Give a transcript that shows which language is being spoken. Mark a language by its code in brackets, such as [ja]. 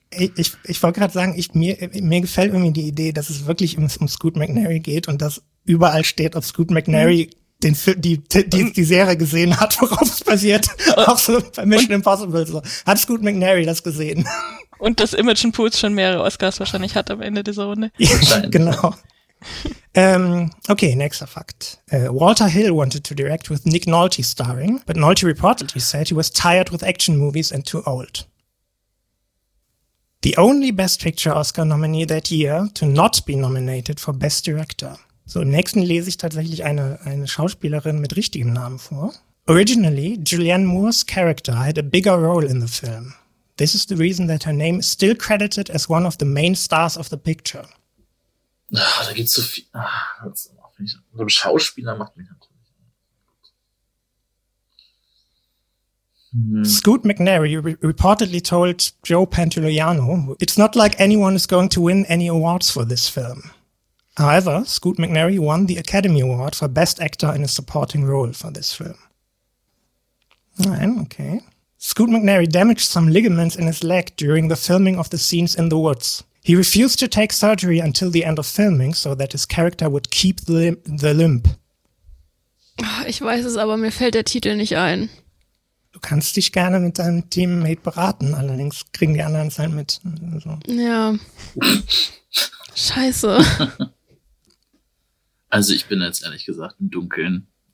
[de] Ich wollte gerade sagen, mir gefällt irgendwie die Idee, dass es wirklich um Scoot McNairy geht und dass überall steht, ob Scoot McNairy die Serie gesehen hat, worauf es basiert. Auch so bei Mission Impossible. So. Hat Scoot McNairy das gesehen? Und dass Imogen Poots schon mehrere Oscars wahrscheinlich hat am Ende dieser Runde. Ja, genau. Okay, nächster Fakt. [en] Walter Hill wanted to direct with Nick Nolte starring, but Nolte reportedly said he was tired with action movies and too old. The only Best Picture Oscar nominee that year to not be nominated for Best Director. [de] So, im nächsten lese ich tatsächlich eine Schauspielerin mit richtigem Namen vor. [en] Originally, Julianne Moore's character had a bigger role in the film. This is the reason that her name is still credited as one of the main stars of the picture. [de] Ach, da gibt's so viel. So ein Schauspieler macht mich natürlich. [en] Scoot McNairy reportedly told Joe Pantoliano, "It's not like anyone is going to win any awards for this film." However, Scoot McNairy won the Academy Award for Best Actor in a Supporting Role for this film. [de] Nein, okay. [en] Scoot McNairy damaged some ligaments in his leg during the filming of the scenes in the woods. He refused to take surgery until the end of filming so that his character would keep the limp. [de] Ich weiß es, aber mir fällt der Titel nicht ein. Du kannst dich gerne mit deinem Teammate beraten, allerdings kriegen die anderen es halt mit. Also. Ja. Scheiße. Also ich bin jetzt ehrlich gesagt im Dunkeln.